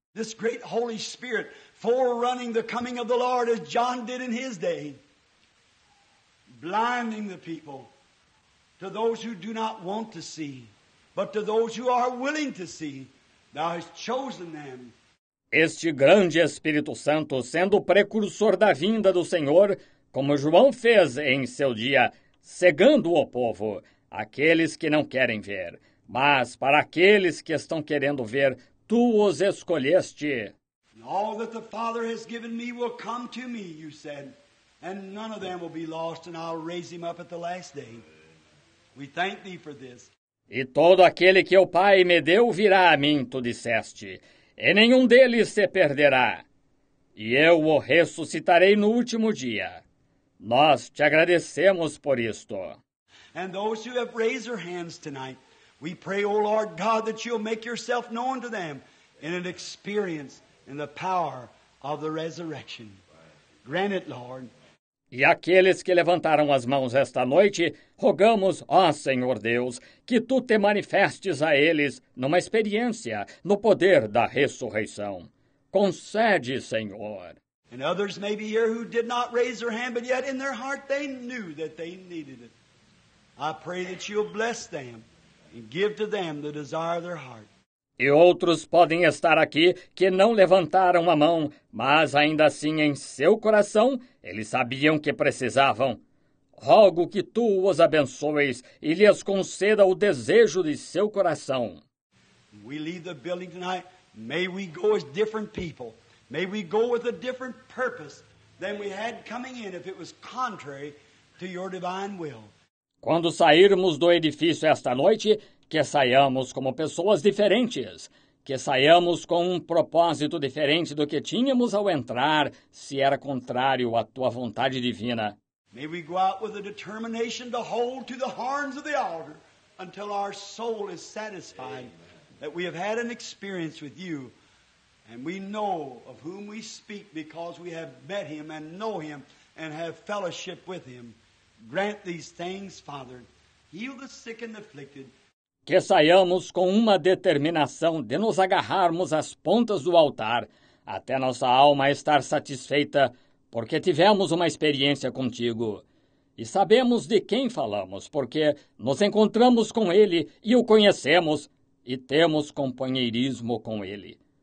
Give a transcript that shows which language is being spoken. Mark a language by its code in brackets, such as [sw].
[en] This great Holy Spirit forerunning the coming of the Lord as John did in his day, blinding the people to those who do not want to see, but to those who are willing to see, thou hast chosen them. [pt] Este grande Espírito Santo, sendo o precursor da vinda do Senhor, como João fez em seu dia, cegando o povo, aqueles que não querem ver. Mas para aqueles que estão querendo ver, tu os escolheste. [en] All that the Father has given me will come to me, you said, and none of them will be lost, and I'll raise him up at the last day. We thank thee for this. [pt] E todo aquele que o Pai me deu virá a mim, tu disseste, e nenhum deles se perderá. E eu o ressuscitarei no último dia. Nós te agradecemos por isto. [en] And those who have raised their hands tonight, We pray, O Lord God, that you'll make yourself known to them in an experience in the power of the resurrection. Grant it, Lord. [pt] E aqueles que levantaram as mãos esta noite, rogamos, ó Senhor Deus, que Tu te manifestes a eles numa experiência no poder da ressurreição. Concede, Senhor. [en] And others may be here who did not raise their hand, but yet in their heart they knew that they needed it. I pray that you'll bless them and give to them the desire of their heart. [pt] E outros podem estar aqui que não levantaram a mão, mas ainda assim em seu coração eles sabiam que precisavam. Rogo que tu os abençoes e lhes conceda o desejo de seu coração. [en] We leave the building tonight. May we go as different people. May we go with a different purpose than we had coming in if it was contrary to your divine will. [pt] Quando sairmos do edifício esta noite, que saiamos como pessoas diferentes, que saiamos com um propósito diferente do que tínhamos ao entrar, se era contrário à tua vontade divina. [en] May we go out with a determination to hold to the horns of the altar until our soul is satisfied. Amen. That we have had an experience with you, and we know of whom we speak because we have met him and know him and have fellowship with him. Grant these things, Father. Heal the sick and afflicted. [pt] Que saiamos com uma determinação de nos agarrarmos às pontas do altar, até nossa alma estar satisfeita, porque tivemos uma experiência contigo. E sabemos de quem falamos, porque nos encontramos com ele e o conhecemos, e temos companheirismo com ele.